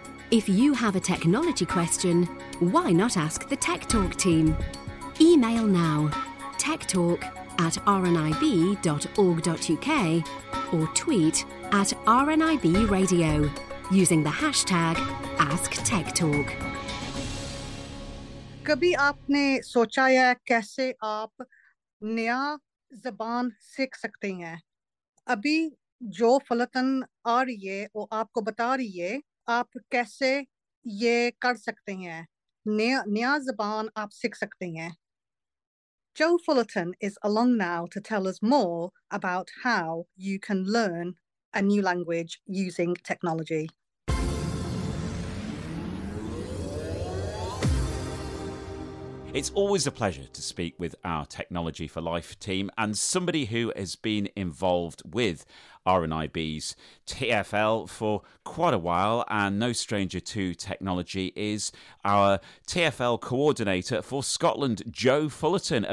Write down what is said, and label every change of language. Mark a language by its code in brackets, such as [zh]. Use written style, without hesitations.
[en] If you have a technology question, why not ask the Tech Talk team? Email now, techtalk@rnib.org.uk, or tweet at RNIB Radio using the hashtag AskTechTalk. [ur] کبھی آپ نے سوچا ہے کیسے آپ نیا زبان سیکھ سکتے ہیں؟ ابھی جو فلتان آ رہی ہے وہ آپ کو بتا رہی ہے آپ کیسے یہ کر سکتے ہیں؟ نیا زبان آپ سیکھ سکتے ہیں۔ [en] Joe Fullerton is along now to tell us more about how you can learn a new language using technology. It's always a pleasure to speak with our Technology for Life team and somebody who has been involved with RNIB's TFL for quite a while, and no stranger to technology is our TFL coordinator for Scotland, Joe Fullerton.